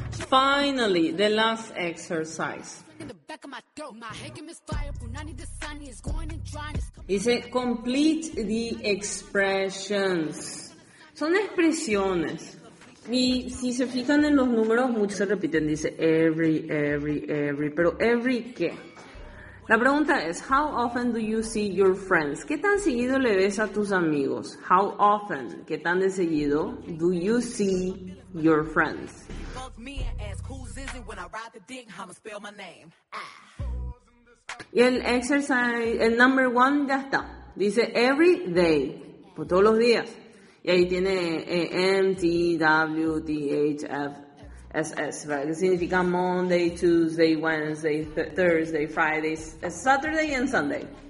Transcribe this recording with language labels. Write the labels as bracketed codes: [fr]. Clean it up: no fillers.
[en] Finally, the last exercise. Dice, complete the expressions. [es] Son expresiones. Y si se fijan en los números, muchos se repiten. [en] Dice, every, every, every. Pero, ¿every qué? [es] La pregunta es, [en] how often do you see your friends? [es] ¿Qué tan seguido le ves a tus amigos? [en] How often, [es] ¿qué tan de seguido [en] do you see your friends? [es] Y el exercise, el number one ya está. Dice [en] every day, [es] por todos los días. Y ahí tiene M, T, W, T, H, F, S, S, ¿verdad? Que significa [en] Monday, Tuesday, Wednesday, Thursday, Friday, Saturday and Sunday.